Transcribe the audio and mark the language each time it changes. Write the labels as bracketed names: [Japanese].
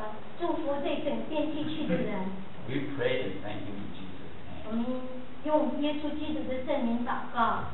[Chinese] 让你的祝福在祝福这整片地区的人。 [English] We pray and thank you in Jesus' name. [Chinese] 我们用耶稣基督的圣名祷告。